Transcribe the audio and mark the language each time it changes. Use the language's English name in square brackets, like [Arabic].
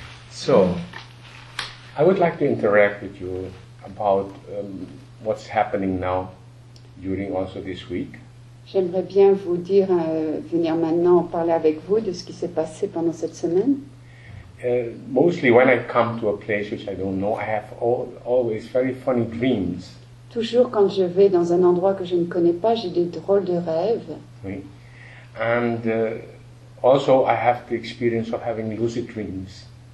[English] So, I would like to interact with you about what's happening now during also this week. [French] J'aimerais bien vous dire venir maintenant parler avec vous de ce qui s'est passé pendant cette semaine. [English] Mostly when I come to a place which I don't know, I have always very funny dreams. [French] Toujours quand je vais dans un endroit que je ne connais pas, j'ai des drôles de rêves. Oui. [English] And also I have the experience of having lucid dreams.